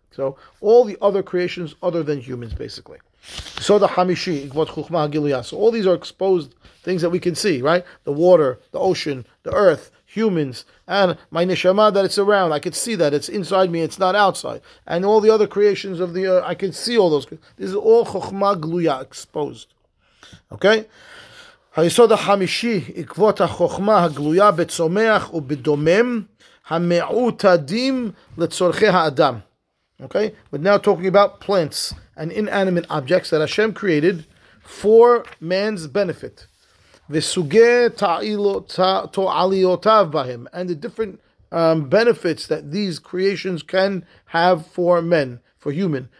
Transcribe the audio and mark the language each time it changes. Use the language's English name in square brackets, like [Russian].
[English] So all the other creations other than humans, basically. So the Hamishi, Ikvot Chukhmah Giluyah. So all these are exposed things that we can see, right? The water, the ocean, the earth, humans, and my neshama that it's around. I can see that it's inside me, it's not outside. And all the other creations of the earth, I can see all those. This is all Chukhmah Giluyah, exposed. [Hebrew] Okay, היסוד החמישי עקבות החוכמה הגלויה בצומח ובדומם המעוטדים לצורכי האדם. [English] Okay, we're now talking about plants and inanimate objects that Hashem created for man's benefit. [Hebrew] V'suge ta'aliyotav bahim, [English] and the different benefits that these creations can have for men, for human.